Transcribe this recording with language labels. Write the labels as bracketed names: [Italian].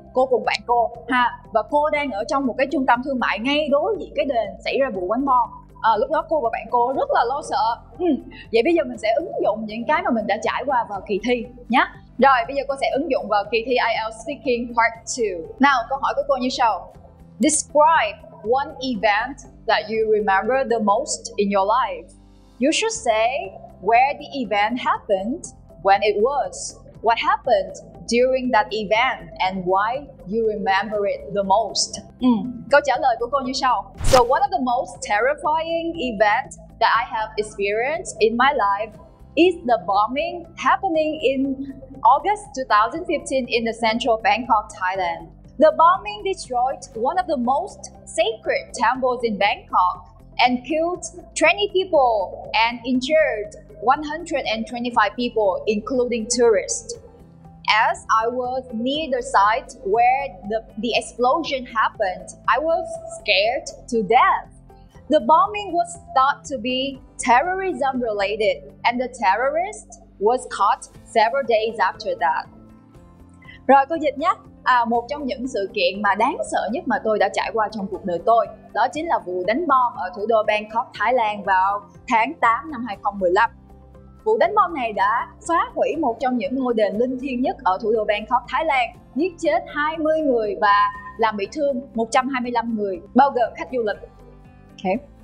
[Vietnamese] Cô cùng bạn cô ha, và cô đang ở trong một cái trung tâm thương mại ngay đối diện cái đền xảy ra vụ đánh bom. À, lúc đó cô và bạn cô rất là lo sợ. Vậy bây giờ mình sẽ ứng dụng những cái mà mình đã trải qua vào kỳ thi nhé. Rồi bây giờ cô sẽ ứng dụng vào kỳ thi IELTS Speaking Part 2. Nào, câu hỏi của cô như sau. [English] Describe one event that you remember the most in your life. You should say where the event happened, when it was, what happened during that event, and why you remember it the most. Câu trả lời của cô như sau. So one of the most terrifying events that I have experienced in my life is the bombing happening in August 2015 in the central Bangkok, Thailand. The bombing destroyed one of the most sacred temples in Bangkok and killed 20 people and injured 125 people, including tourists. As I was near the site where the explosion happened, I was scared to death. The bombing was thought to be terrorism related and the terrorist was caught several days after that. [Vietnamese] Rồi, cô dịch nhé. À, một trong những sự kiện mà đáng sợ nhất mà tôi đã trải qua trong cuộc đời tôi đó chính là vụ đánh bom ở thủ đô Bangkok, Thái Lan vào tháng 8 năm 2015. Vụ đánh bom này đã phá hủy một trong những ngôi đền linh thiêng nhất ở thủ đô Bangkok, Thái Lan, giết chết 20 người và làm bị thương 125 người, bao gồm khách du lịch. Okay.